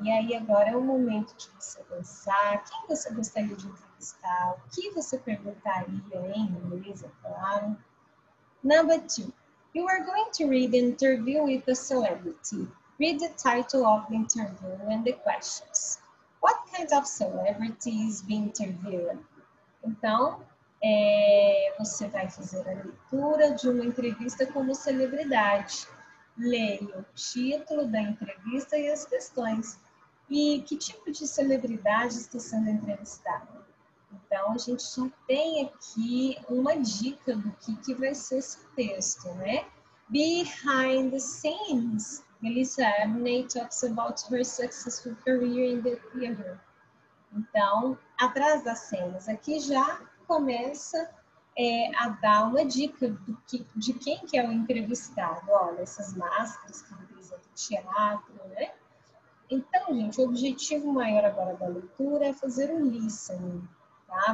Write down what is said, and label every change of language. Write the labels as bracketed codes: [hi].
[pt] E aí, agora é o momento de você pensar quem você gostaria de entrevistar, o que você perguntaria em inglês, é claro. [en] Number two. You are going to read an interview with a celebrity. Read the title of the interview and the questions. What kind of celebrity is being interviewed? [pt] Então, você vai fazer a leitura de uma entrevista com uma celebridade. Leia o título da entrevista e as questões. E que tipo de celebridade está sendo entrevistada? Então, a gente já tem aqui uma dica do que vai ser esse texto, né? [en] Behind the scenes, Melissa Abney talks about her successful career in the theater. [pt] Então, atrás das cenas, aqui já começa a dar uma dica de quem que é o entrevistado. Olha, essas máscaras que representam teatro, né? Então, gente, o objetivo maior agora da leitura é fazer um listening, tá?